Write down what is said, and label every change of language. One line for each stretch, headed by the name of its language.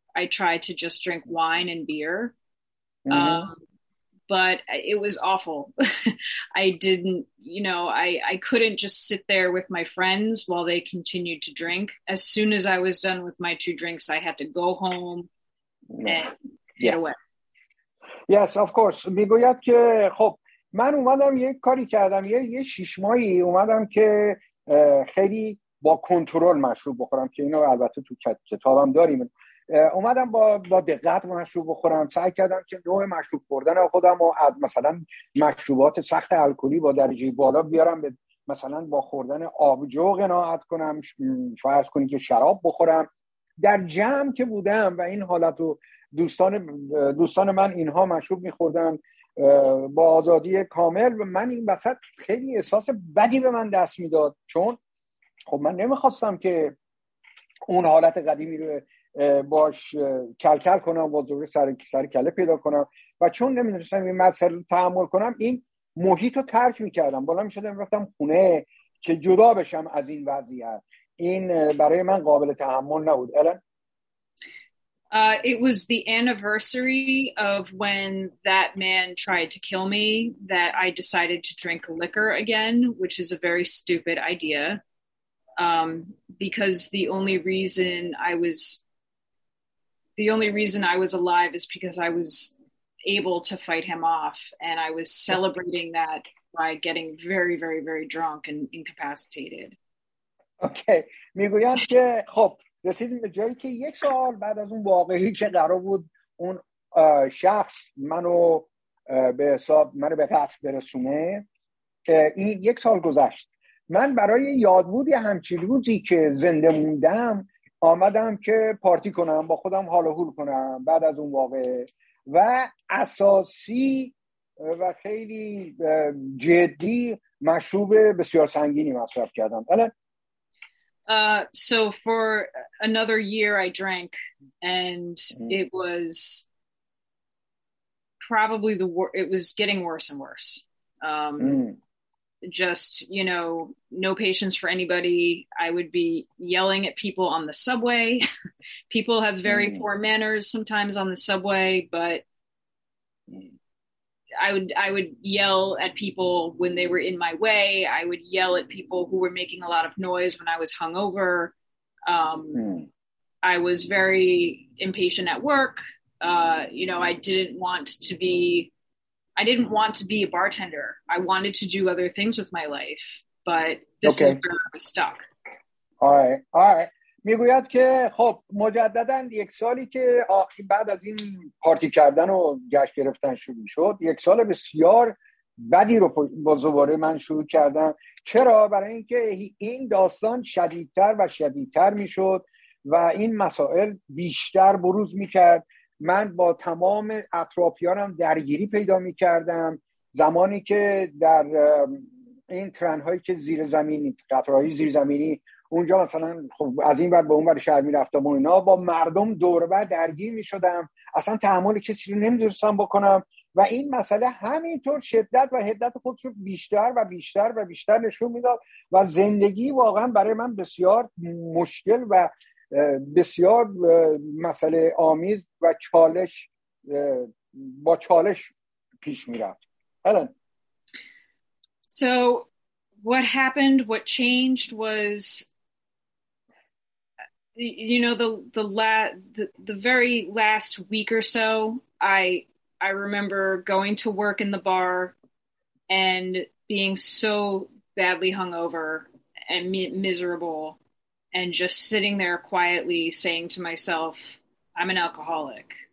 English: I tried to just drink wine and beer. But it was awful. I didn't, you know, I couldn't just sit there with my friends while they continued to drink. As soon as I was done with my 2 drinks, I had to go home and get away. Yes, of course.
Persian: میگوید که خب من اومدم یه کاری کردم، یه 6 ماهی اومدم که خیلی با کنترل مشروب بخورم، که اینو البته تو کتابم داریم، اومدم با دقت مشروب بخورم، سعی کردم که نوع مشروب خوردن خودم رو از مثلا مشروبات سخت الکلی با درجه بالا بیارم به مثلا با خوردن آبجو قناعت کنم، فرض کنید که شراب بخورم. در جمع که بودم و این حالت رو دوستان من اینها مشروب میخوردن با آزادی کامل، و من این وسط خیلی احساس بدی به من دست میداد، چون خب من نمیخواستم که اون حالت قدیمی رو باش کلکل کنم و زور سر کله پیدا کنم، و چون نمیدونستم این مسئله رو تحمل کنم، این محیط رو ترک میکردم، بالا میشدم رفتم خونه که جدا بشم از این وضعیت. این برای من قابل تحمل نبود. الان
English: It was the anniversary of when that man tried to kill me that I decided to drink liquor again, which is a very stupid idea, because the only reason I was alive is because I was able to fight him off, and I was celebrating that by getting very, very, very drunk and incapacitated. Okay.
Persian: میگویند که خب رسیدیم به جایی که یک سال بعد از اون واقعی که قرار بود اون شخص منو به حساب منو به قتل برسونه، که این یک سال گذشت، من برای یادبود همچین روزی که زنده موندم آمدم که پارتی کنم، با خودم حال و حول کنم بعد از اون واقعه، و اساسی و خیلی جدی مشروب بسیار سنگینی مصرف کردم. بله.
English: So for another year I drank, and it was probably it was getting worse and worse. Just, you know, no patience for anybody. I would be yelling at people on the subway. People have very poor manners sometimes on the subway, but I would yell at people when they were in my way. I would yell at people who were making a lot of noise when I was hungover. I was very impatient at work. I didn't want to be a bartender. I wanted to do other things with my life, but this is where I was stuck. All right.
Persian: میگوید که خب مجدداً یک سالی که بعد از این پارتی کردن و گشت گرفتن شروع شد، یک سال بسیار بدی رو با زباره من شروع کردم. چرا؟ برای اینکه این داستان شدیدتر و شدیدتر میشد و این مسائل بیشتر بروز میکرد. من با تمام اطرافیانم درگیری پیدا میکردم. زمانی که در این ترنهایی که زیر زمینی، قطرهایی زیر زمینی اونجا مثلا خب از این بعد به اون بعد شهر می رفتم و اینا، با مردم دور بعد درگیر می شدم، اصلا تحمل کسی رو نمی دونستم بکنم، و این مسئله همینطور شدت و حدت خودش رو بیشتر و بیشتر و بیشتر نشون می داد، و زندگی واقعا برای من بسیار مشکل و بسیار مسئله آمیز و چالش با چالش پیش می رفت. الان
English: So what happened, what changed was, you know, the very last week or so, I remember going to work in the bar and being so badly hungover and miserable and just sitting there quietly saying to myself, I'm an alcoholic.